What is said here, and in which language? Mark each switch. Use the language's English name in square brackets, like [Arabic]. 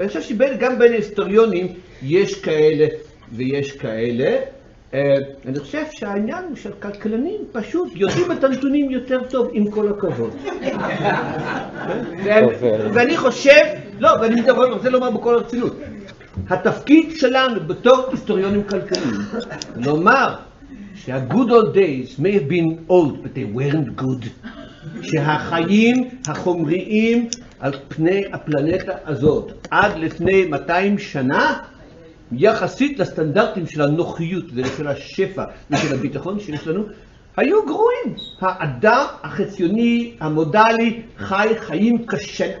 [Hebrew] אני חושב שגם בין ההיסטוריונים יש כאלה ויש כאלה. אני חושב שהעניין הוא שהכלכלנים פשוט יודעים את הנתונים יותר טוב, עם כל הכבוד. ואני חושב... לא, ואני מדבר, זה לומר בכל הרצינות. התפקיד שלנו בתור היסטוריונים כלכליים, לומר... [English] The good old days may have been old, but they weren't good. [Hebrew] שהחיים החומריים על פני הפלנטה הזאת עד לפני 200 שנה יחסית לסטנדרטים של הנוחיות ושל השפע ושל הביטחון שיש לנו היו גרועים. האדם החציוני, המודלי, חי חיים קשה.